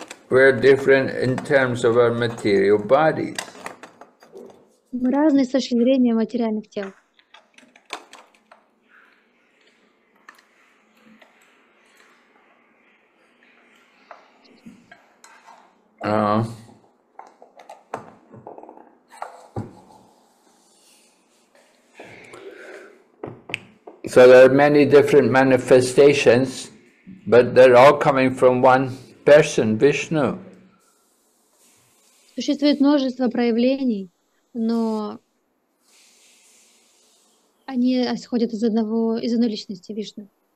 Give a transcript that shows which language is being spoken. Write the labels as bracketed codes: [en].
[en] We're different in terms of our material bodies. [ru] Мы разные с точки зрения материальных тел. [en] So there are many different manifestations, but they're all coming from one person, Vishnu. [ru] Существует множество проявлений, но они исходят из одной личности, Вишну.